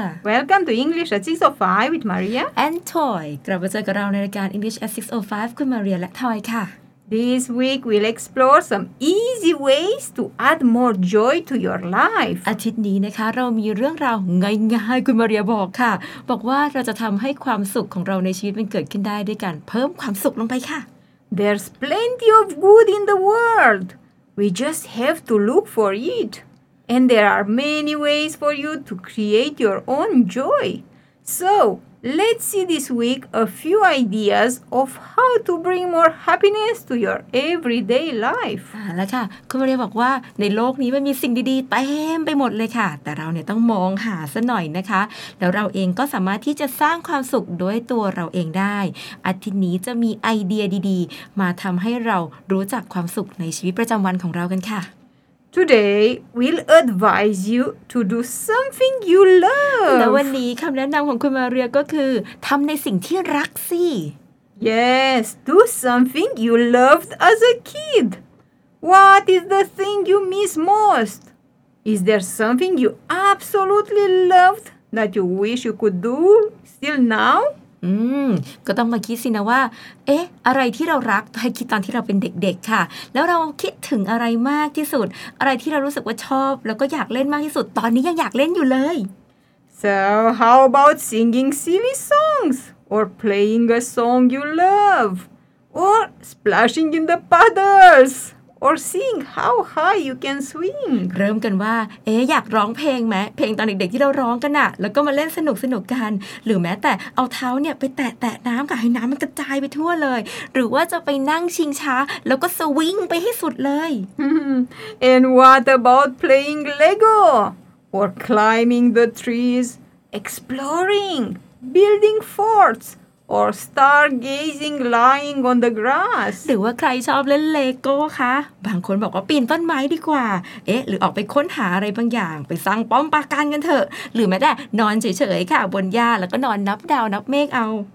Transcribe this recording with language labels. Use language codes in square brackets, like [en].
[en] Welcome to English at 6:05 with Maria and Toy. [th] กลับมาเจอกับเราในรายการ English at 6:05 คุณมาเรียและ Toy ค่ะ [en] This week we'll explore some easy ways to add more joy to your life. [th] อาทิตย์นี้นะคะเรามีเรื่องราวง่ายๆคุณมาเรียบอกค่ะบอกว่าเราจะทำให้ความสุขของเราในชีวิตมันเกิดขึ้นได้ด้วยการเพิ่มความสุขลงไปค่ะ [en] There's plenty of good in the world. We just have to look for it. And there are many ways for you to create your own joy. So, let's see this week a few ideas of how to bring more happiness to your everyday life. [th] แล้วค่ะคุณมาเรียบอกว่าในโลกนี้มันมีสิ่งดีๆเต็มไปหมดเลยค่ะแต่เราเนี่ยต้องมองหาซะหน่อยนะคะแล้วเราเองก็สามารถที่จะสร้างความสุขด้วยตัวเราเองได้อาทิตย์นี้จะมีไอเดียดีๆมาทำให้เรารู้จักความสุขในชีวิตประจำวันของเรากันค่ะ [en] Today, we'll advise you to do something you love. [th] และวันนี้คำแนะนำของคุณมาเรียก็คือทำในสิ่งที่รักสิ [en] Yes, do something you loved as a kid. What is the thing you miss most? Is there something you absolutely loved that you wish you could do still now? [th] ก็ต้องมาคิดสินะว่าเอ๊ะอะไรที่เรารักให้คิดตอนที่เราเป็นเด็กๆค่ะแล้วเราคิดถึงอะไรมากที่สุดอะไรที่เรารู้สึกว่าชอบแล้วก็อยากเล่นมากที่สุดตอนนี้ยังอยากเล่นอยู่เลย [en] So how about singing silly songs or playing a song you love or splashing in the puddles or seeing how high you can swing [th] เริ่มกันว่าเอ๊ะอยากร้องเพลงไหมเพลงตอนเด็กๆที่เราร้องกันอะแล้วก็มาเล่นสนุกๆกันหรือแม้แต่เอาเท้าเนี่ยไปแตะๆน้ำค่ะให้น้ำมันกระจายไปทั่วเลยหรือว่าจะไปนั่งชิงช้าแล้วก็สวิงไปให้สุดเลย [en] And what about playing Lego or climbing the trees exploring building fortsOr stargazing lying on the grass. [th] หรือว่าใครชอบเล่นเลโก้คะบางคนบอกว่าปีนต้นไม้ดีกว่าเอ๊ะหรือออกไปค้นหาอะไรบางอย่างไปสร้างป้อมปราการกันเถอะหรือแม้แต่นอนเฉยๆค่ะบนหญ้าแล้วก็นอนนับดาวนับเมฆเอา